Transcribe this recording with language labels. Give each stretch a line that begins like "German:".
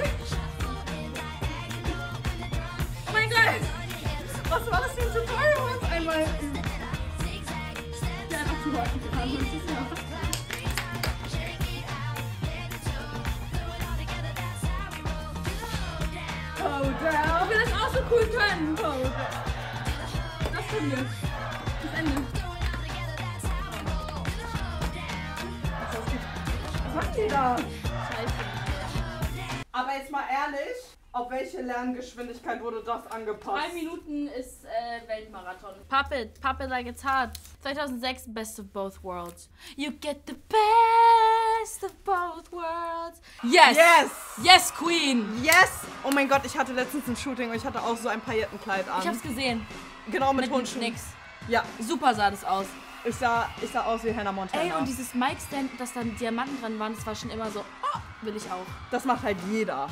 English: shuffle and down angle, when the drum hits, hands on your hip, one foot in, one eighth twist, and then a zigzag, step slide, lean it left, clap 3 times, shake it out, head to toe. Throw it all together, this is how we roll. Oh my God! Drop!
German: Das ist das Schönste, was ich heute ganz viel gemacht habe. Das ist schwerer als steuern. Oh mein Gott! Was war das für ein Tutorial uns einmal? Ob wir das auch so cool können. Das können wir. Das Ende. Was macht ihr da? Aber jetzt mal ehrlich, auf welche Lerngeschwindigkeit wurde das angepasst? 2 Minuten ist Weltmarathon.
English: Pop it like it's hard. 2006, Best of Both Worlds. You get the best of both worlds. Yes! Yes! Yes, Queen! Yes!
German: Oh mein Gott, ich hatte letztens ein Shooting und ich hatte auch so ein Paillettenkleid an. Ich hab's gesehen. Genau, mit Hundschuhen. Nix. Ja. Super sah das aus. Ich sah aus wie Hannah Montana. Ey, und dieses Mic-Stand, dass da Diamanten dran waren, das war schon immer so, oh, will ich auch. Das macht halt jeder.